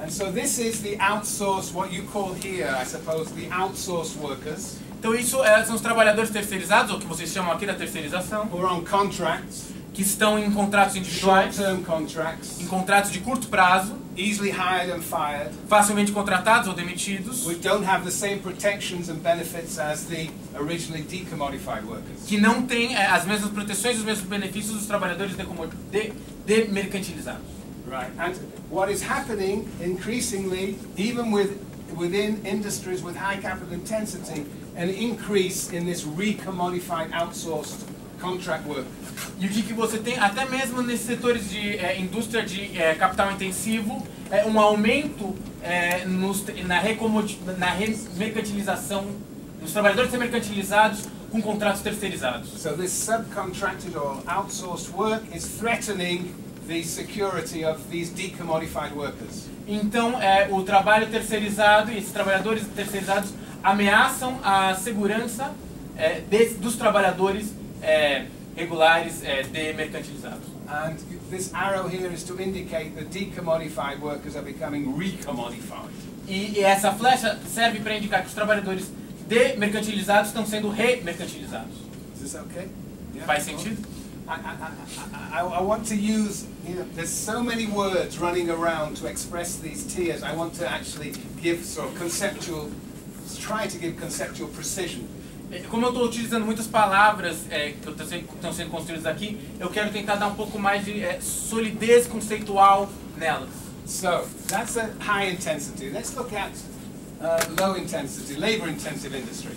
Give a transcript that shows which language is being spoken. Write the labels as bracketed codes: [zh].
[en] And so this is the outsource, what you call here, I suppose, the outsource workers. [pt] Então isso são os trabalhadores terceirizados, ou que vocês chamam aqui da terceirização. [en] Who are on contracts. [pt] Que estão em contratos individuais. [en] Short-term contracts. [pt] Em contratos de curto prazo. [en] Easily hired and fired, [pt] facilmente contratados ou demitidos. [en] We don't have the same protections and benefits as the originally decommodified workers. [pt] Que não têm as mesmas proteções e os mesmos benefícios dos trabalhadores demercantilizados. [en] Right. And what is happening increasingly, even within industries with high capital intensity, an increase in this recommodified outsourced contract work. [pt] E o que você tem, até mesmo nesses setores de indústria de capital intensivo, é um aumento na remercantilização, nos trabalhadores ser mercantilizados com contratos terceirizados. [en] So this subcontracted or outsourced work is threatening the security of these decommodified workers. [pt] Então, o trabalho terceirizado, esses trabalhadores terceirizados ameaçam a segurança dos trabalhadores regulares demercantilizados. [en] And this arrow here is to indicate that decommodified workers are becoming recommodified. [pt] E essa flecha serve para indicar que os trabalhadores demercantilizados estão sendo remercantilizados. [en] Is this okay? [pt] Yeah, faz sentido? [en] I want to use, you know, there's so many words running around to express these tiers. I want to actually give sort of conceptual, try to give conceptual precision. [pt] Como eu estou utilizando muitas palavras que estão sendo construídas aqui, eu quero tentar dar um pouco mais de solidez conceitual nelas. [en] So, that's a high intensity. Let's look at low intensity, labor intensive industry.